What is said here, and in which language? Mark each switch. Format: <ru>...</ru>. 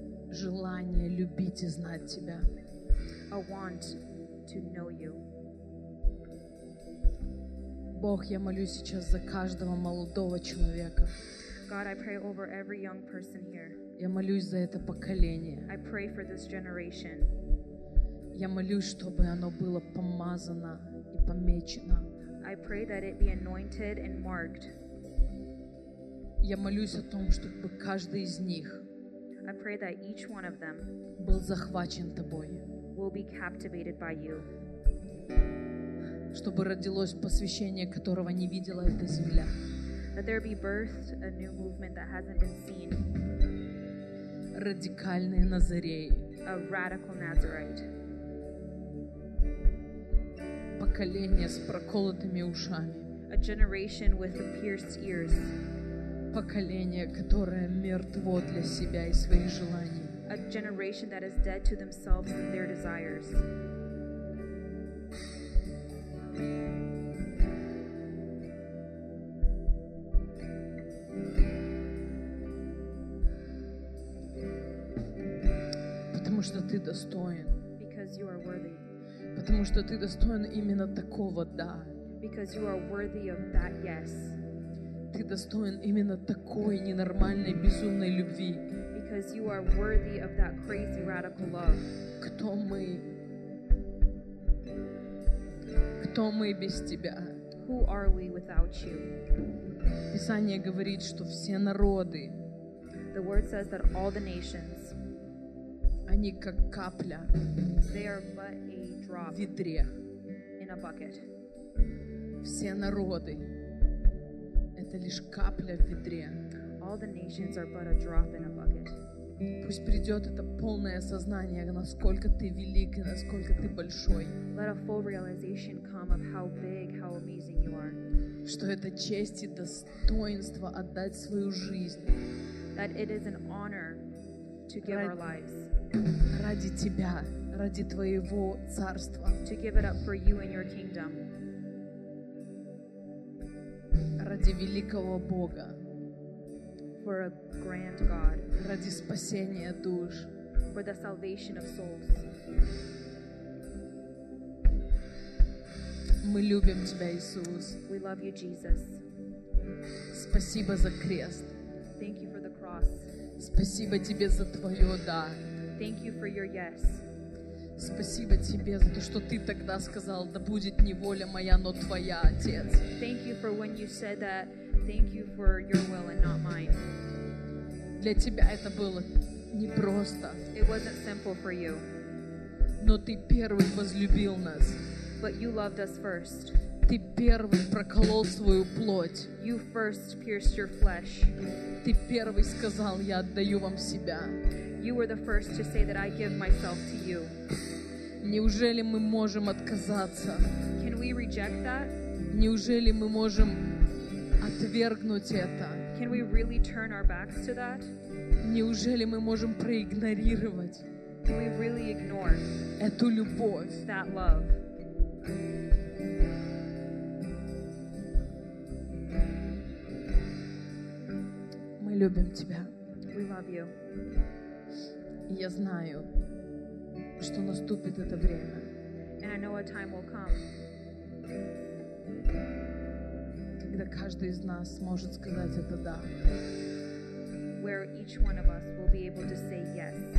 <ru>Желание любить и знать Тебя.</ru> <en>A want to know You.</en> <ru>Бог, я молюсь сейчас за каждого молодого человека.</ru> <en>God, I pray over every young person here.</en> <ru>Я молюсь за это поколение.</ru> <en>I pray for this generation.</en> <ru>Я молюсь, чтобы оно было помазано и помечено.</ru> <en>I pray that it be anointed and marked.</en> <ru>Я молюсь о том, чтобы каждый из них</ru> <en>I pray that each one of them</en> <ru>был захвачен Тобой.</ru> <en>Will be captivated by You.</en> <ru>Чтобы родилось посвящение, которого не видела эта земля.</ru> <en>That there be birthed a new movement that hasn't been seen.</en> <ru>Радикальные Назареи.</ru> <en>A radical Nazarite.</en> <ru>Поколение с проколотыми ушами.</ru> <en>A generation with pierced ears.</en> <ru>Поколение, которое мертво для себя и своих желаний.</ru> <en>A generation that is dead to themselves and their desires.</en> <ru>Потому что ты достоин.</ru> <en>Because you are worthy.</en> <ru>Потому что ты достоин именно такого да.</ru> <en>Because you are worthy of that yes.</en> <ru>Ты достоин именно такой ненормальной безумной любви.</ru> <en>Because you are worthy of that crazy radical love.</en> <ru>Кто мы? Кто мы без тебя?</ru> <en>Who are we without you?</en> <ru>Писание говорит, что все народы.</ru> <en>The word says that all the nations.</en> <ru>Они как капля</ru> <en>They are but a drop</en> <ru>в ведре.</ru> <en>In a bucket.</en> <ru>Все народы это лишь капля в ведре.</ru> <en>All the nations are but a drop in a bucket.</en> <ru>Пусть придет это полное осознание, насколько ты велик и насколько ты большой.</ru> <en>Let a full realization come of how big, how amazing you are.</en> <ru>Что это честь и достоинство отдать свою жизнь.</ru> <en>That it is an honor to give our lives.</en> <ru>Ради тебя, ради твоего царства.</ru> <en>To give it up for you and your kingdom.</en> <ru>Ради великого Бога.</ru> <en>For a grand God.</en> <ru>Ради спасения душ.</ru> <en>For the salvation of souls.</en> <ru>Мы любим тебя, Иисус.</ru> <en>We love you, Jesus.</en> <ru>Спасибо за крест.</ru> <en>Thank you for the cross.</en> <ru>Спасибо тебе за твое да.</ru> <en>Thank you for your yes.</en> <ru>Спасибо тебе за то, что ты тогда сказал, да будет не воля моя, но твоя, Отец.</ru> <en>Thank you for when you said that. Thank you for your will and not mine.</en> <ru>Для тебя это было непросто.</ru> <en>It wasn't simple for you.</en> <ru>Но ты первый возлюбил нас.</ru> <en>But you loved us first.</en> <ru>Ты первый проколол свою плоть.</ru> <en>You first pierced your flesh.</en> <ru>Ты первый сказал, я отдаю вам себя.</ru> <en>You were the first to say that I give myself to you.</en> <ru>Неужели мы можем отказаться?</ru> <en>Can we reject that?</en> <ru>Неужели мы можем отвергнуть это?</ru> <en>Can we really turn our backs to that?</en> <ru>Неужели мы можем проигнорировать?</ru> <en>Can we really ignore</en> <ru>эту любовь?</ru> <en>That love?</en> <ru>Мы любим тебя.</ru> <en>We love you.</en> <ru>Я знаю, что наступит это время.</ru> <en>And I know a time will come.</en> <ru>Когда каждый из нас сможет сказать это да.</ru> <en>Where each one of us will be able to say yes.</en>